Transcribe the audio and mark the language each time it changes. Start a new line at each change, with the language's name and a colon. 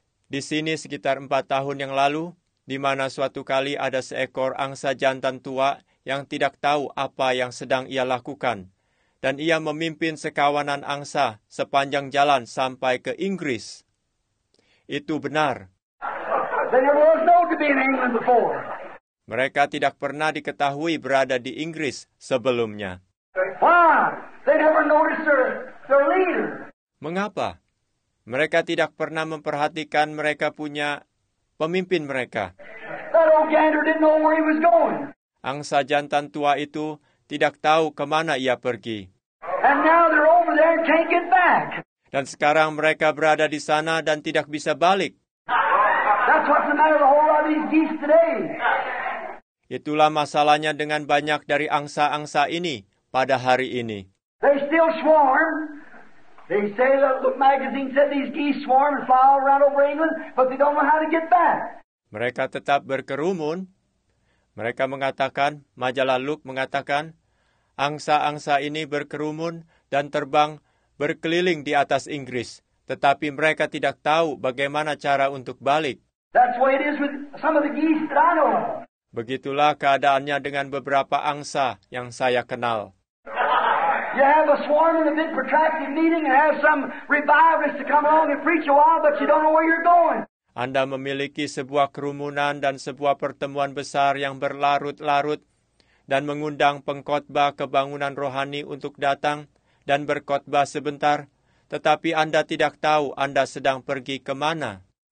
Indonesian: Di sini sekitar 4 tahun yang lalu, di mana suatu kali ada seekor angsa jantan tua yang tidak tahu apa yang sedang ia lakukan. Dan ia memimpin sekawanan angsa sepanjang jalan sampai ke Inggris. Itu benar.
English: They never was known to be in England before.
Indonesian: Mereka tidak pernah diketahui berada di Inggris sebelumnya.
English: Why? They never noticed their leader.
Indonesian: Mengapa? Mereka tidak pernah memperhatikan mereka punya pemimpin mereka.
English: That old gander didn't know where he was going.
Indonesian: Angsa jantan tua itu tidak tahu kemana ia pergi.
English: And now they're over there, can't get back.
Indonesian: Dan sekarang mereka berada di sana dan tidak bisa balik.
English: That's what's the matter with a whole lot of these geese today.
Indonesian: Itulah masalahnya dengan banyak dari angsa-angsa ini pada hari ini.
English: They still swarm. They say that the magazine said these geese swarm and fly all around over England, but they don't know how to get back.
Indonesian: Mereka tetap berkerumun. Mereka mengatakan, majalah Look mengatakan, angsa-angsa ini berkerumun dan terbang berkeliling di atas Inggris, tetapi mereka tidak tahu bagaimana cara untuk balik.
English: That's what it is with some of the geese that I know.
Indonesian: Begitulah keadaannya dengan beberapa angsa yang saya kenal.
English: You have a swarm in a big protracted meeting and have some revivalists to come along and preach a while, but you don't know where you're going.
Indonesian: Anda memiliki sebuah kerumunan dan sebuah pertemuan besar yang berlarut-larut dan mengundang pengkhotbah kebangunan rohani untuk datang dan berkhotbah sebentar, tetapi Anda tidak tahu Anda sedang pergi ke mana.